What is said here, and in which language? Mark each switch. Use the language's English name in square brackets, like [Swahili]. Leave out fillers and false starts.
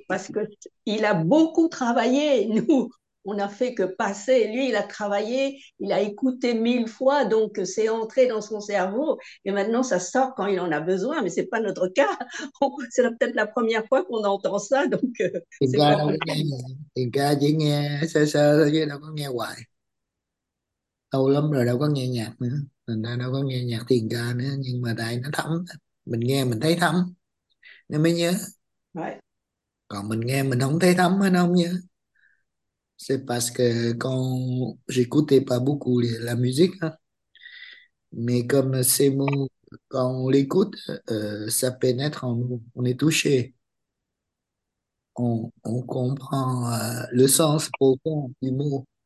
[French] parce que il a beaucoup travaillé, nous, on n'a fait que passer. Lui, il a travaillé, il a écouté 1000 fois, donc c'est entré dans son cerveau et maintenant ça sort quand il en a besoin, mais ce n'est pas notre cas. C'est peut-être la première fois qu'on entend ça, donc [Vietnamese] Tiền [French] c'est [Vietnamese] ca [French] pas [Vietnamese] đâu [French] mal. [Vietnamese] có nghe, tiền ca chỉ nghe sơ sơ thôi chứ đâu có nghe hoài, lâu lắm rồi đâu có nghe nhạc nữa, mình ta đâu có nghe nhạc tiền ca nữa, nhưng mà tại nó thấm, mình nghe mình thấy thấm nên mới nhớ, [English] Right. [Vietnamese] còn mình nghe mình không thấy thấm nó không nhớ. [French] C'est parce que quand j'écoutais pas beaucoup la musique hein. Mais comme ces mots quand on l'écoute ça pénètre en nous, on est touché. On comprend le sens profond du mot.